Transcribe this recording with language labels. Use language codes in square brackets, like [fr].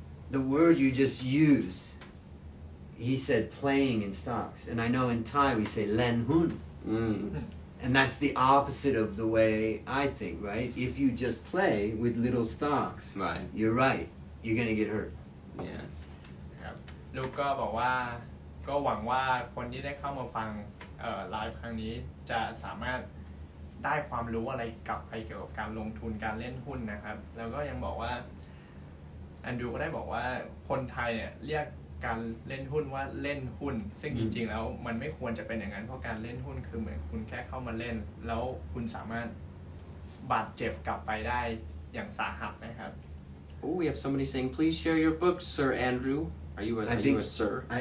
[en] The word you just used, he said playing in stocks. And I know in Thai we say len hun. And that's the opposite of the way I think, right? If you just play with little stocks, right. You're right. You're going to get hurt. Yeah. [th] ลูกก็บอกว่าก็หวังว่าคนที่ได้เข้ามาฟังไลฟ์ครั้งนี้จะสามารถได้ความรู้อะไรกลับไปเกี่ยวกับการลงทุนการเล่นหุ้นนะครับแล้วก็ยังบอกว่าแอนดรูว์ก็ได้บอกว่าคนไทยเนี่ยเรียกการเล่นหุ้นว่าเล่นหุ้นซึ่งจริงๆแล้วมันไม่ควรจะเป็นอย่างนั้นเพราะการเล่นหุ้นคือเหมือนคุณแค่เข้ามาเล่นแล้วคุณสามารถบาดเจ็บกลับไปได้อย่างสาหัสนะครับ [en] Oh we have somebody saying please share your book Sir AndrewAre you a sir?